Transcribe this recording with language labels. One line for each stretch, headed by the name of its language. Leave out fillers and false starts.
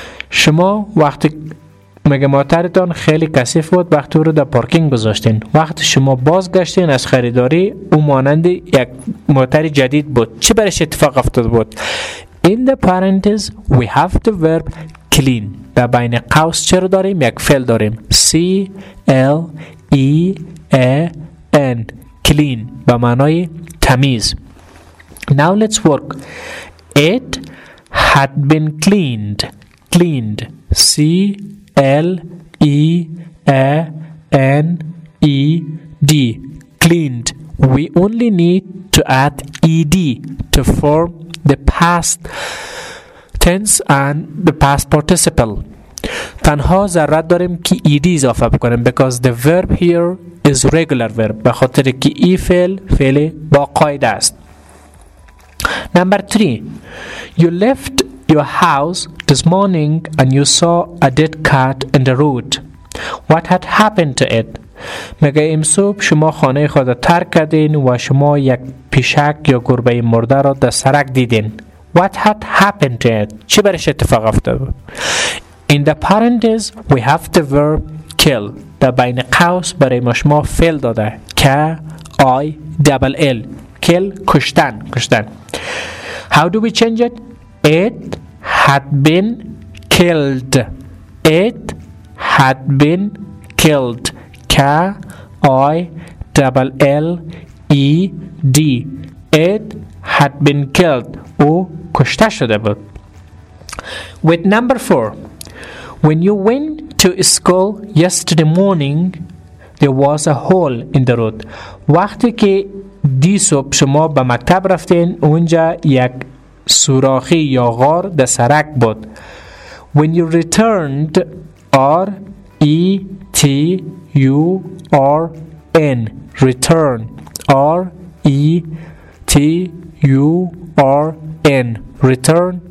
Persian: شما وقتی مگه موتورتون خیلی کثیف بود وقتی رو در پارکینگ گذاشتین. وقتی شما بازگشتین از خریداری او مانند یک موتور جدید بود. چه برش اتفاق افتاده بود؟
English: In the parentheses we have the verb clean.
Persian: در بین قوس چه رو داریم؟ یک فعل داریم.
English: C-L-E-A-N. Clean.
Persian: به معنای تمیز.
English: Now let's work. It had been cleaned. Cleaned. C L E A N E D cleaned. We only need to add ed to form the past tense and the past participle.
Persian: تنها ضرورت داریم که ed اضافه بکنیم
English: because the verb here is regular verb.
Persian: به خاطر که ای فعل فعل با قاعده است.
English: Number 3. You left your house this morning and you saw a dead cat in the road. What had happened to it?
Persian: مگه امسوب شما خانه خود ترک کردین و شما یک پیشک یا گربه مرده را در سرک دیدین.
English: What had happened to it?
Persian: چه برش اتفاق افتاد؟
English: In the parentheses we have the verb kill.
Persian: در بین قوس برای ما شما فعل داده.
English: K-I-L-L. Kill, کشتن. کشتن. How do we change it? It had been killed. It had been killed. K-I-L-L-E-D. It had been killed.
Persian: او کشته شده بود.
English: With number 4. When you went to school yesterday morning, there was a hole in the road.
Persian: وقتی که دی صبح شما به مکتب رفتین، اونجا یک سوراخی یا غار در سرک بود.
English: When you returned, R-E-T-U-R-N, return, R-E-T-U-R-N, return,